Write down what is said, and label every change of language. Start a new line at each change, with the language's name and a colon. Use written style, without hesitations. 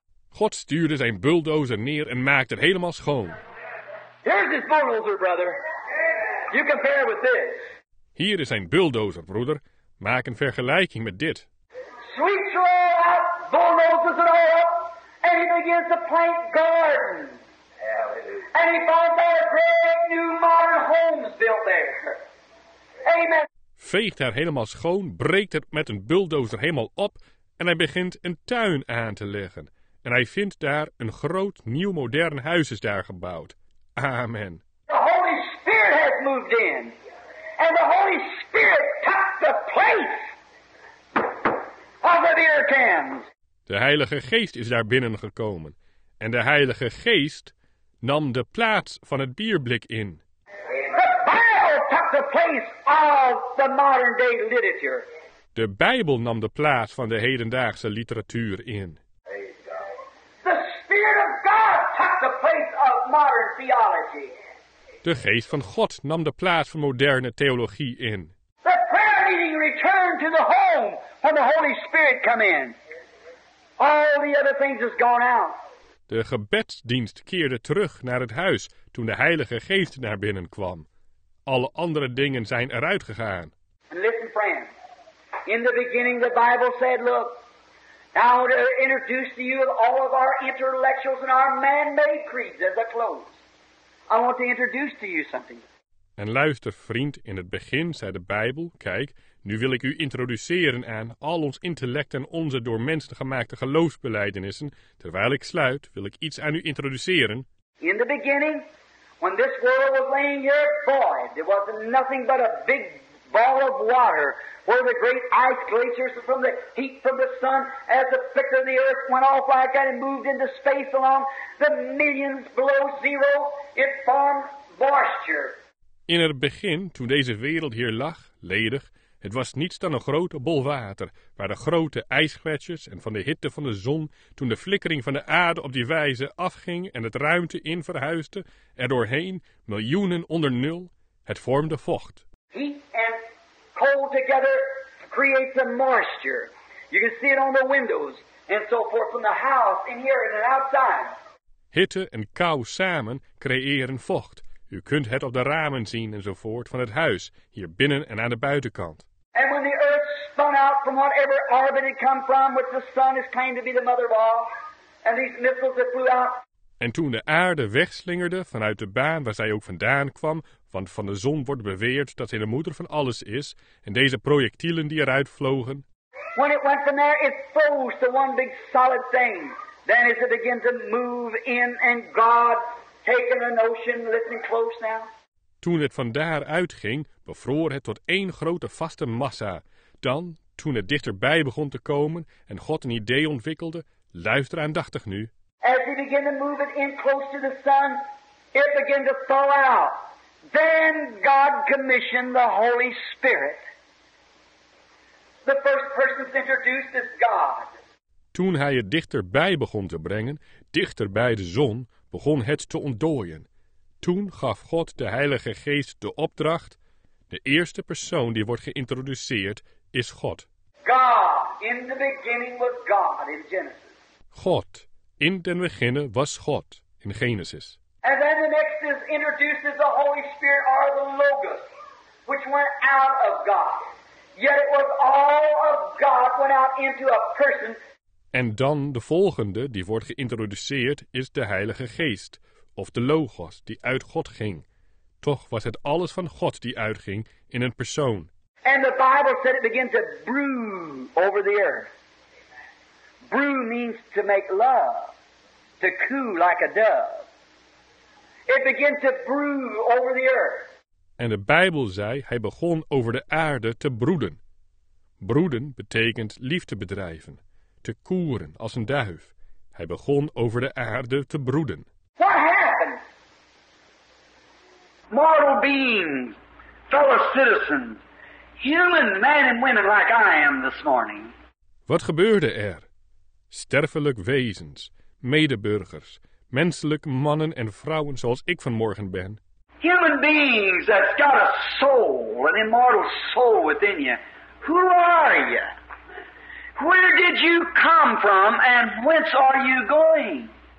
Dutch: God stuurde zijn bulldozer neer en maakte het helemaal schoon.
English: Here's his bulldozer, brother. You compare with this.
Dutch: Hier is zijn bulldozer, broeder. Maak een vergelijking met dit.
English: Sweeps all up, bulldozes it all up, and he begins to plant gardens. And he finds our brand new modern homes built there. Amen.
Dutch: Veegt haar helemaal schoon, breekt het met een bulldozer helemaal op, en hij begint een tuin aan te leggen. En hij vindt daar een groot, nieuw, modern huis is daar gebouwd. Amen.
English: The Holy Spirit has moved in. And the Holy Spirit took the place of the beer cans.
Dutch: De Heilige Geest is daar binnengekomen. En de Heilige Geest nam de plaats van het bierblik in.
English: The Bible took the place of the modern day literature.
Dutch: De Bijbel nam de plaats van de hedendaagse literatuur in.
English: The Spirit of God took the place of modern theology.
Dutch: De geest van God nam de plaats van moderne theologie in.
English: The prayer meeting returned to the home when the Holy Spirit came in. All the other things has gone out.
Dutch: De gebedsdienst keerde terug naar het huis toen de Heilige Geest naar binnen kwam. Alle andere dingen zijn eruit gegaan.
English: And listen, friend. In the beginning the Bible said, look, now to introduce to you all of our intellectuals and our man-made creeds as a close. I want to introduce to you something.
Dutch: En luister, vriend, in het begin zei de Bijbel, kijk, nu wil ik u introduceren aan al ons intellect en onze door mensen gemaakte geloofsbelijdenissen. Terwijl ik sluit, wil ik iets aan u introduceren.
English: In the beginning, when this world was laying here void, there was nothing but a big ball of water where the great ice glaciers from the heat from the sun as the flicker of the earth went off like that and moved into space along the millions below zero, it formed moisture.
Dutch: In het begin, toen deze wereld hier lag, ledig, het was niets dan een grote bol water, waar de grote ijsgletsjers en van de hitte van de zon, toen de flikkering van de aarde op die wijze afging en het ruimte in verhuisde, er doorheen, miljoenen onder nul, het vormde vocht.
English: Heat and cold together creates a moisture. You can see it on the windows and so forth from the house in here and outside.
Dutch: Hitte en kou samen creëren vocht. U kunt het op de ramen zien enzovoort van het huis, hier binnen en aan de buitenkant.
English: And when the earth spun out from whatever orbit it come from, which the sun is claimed to be the mother of all, and these missiles that flew out.
Dutch: En toen de aarde wegslingerde vanuit de baan waar zij ook vandaan kwam, want van de zon wordt beweerd dat zij de moeder van alles is, en deze projectielen die eruit vlogen.
English: When it went from there, it froze to one big solid thing. Then as it began to move in and God taken a notion, listen close now.
Dutch: Toen het van daar uitging, bevroor het tot één grote vaste massa. Dan, toen het dichterbij begon te komen en God een idee ontwikkelde, luister aandachtig nu.
English: As he began to move it in close to the sun, it began to fall out. Then God commissioned the Holy Spirit. The first person introduced is God.
Dutch: Toen hij het dichterbij begon te brengen, dichter bij de zon, begon het te ontdooien. Toen gaf God de Heilige Geest de opdracht: de eerste persoon die wordt geïntroduceerd is God.
English: God, in the beginning was God in Genesis.
Dutch: God, in den beginnen was God in Genesis.
English: And then the next is introduces the Holy Spirit or the Logos, which went out of God. Yet it was all of God went out into a person.
Dutch: En dan de volgende die wordt geïntroduceerd is de Heilige Geest, of de Logos, die uit God ging. Toch was het alles van God die uitging in een persoon.
English: And the Bible said it began to brew over the earth. Brew means to make love, to coo like a dove. It began to brew over the earth.
Dutch: En de Bijbel zei, hij begon over de aarde te broeden. Broeden betekent liefde bedrijven. Te koeren als een duif. Hij begon over de aarde te broeden.
English: What happened? Mortal beings, fellow citizens, human men and women like I am this morning.
Dutch: Wat gebeurde er? Sterfelijk wezens, medeburgers, menselijke mannen en vrouwen zoals ik vanmorgen ben.
English: Human beings that's got a soul, an immortal soul within you. Who are you? Where did you come from and whence are you going?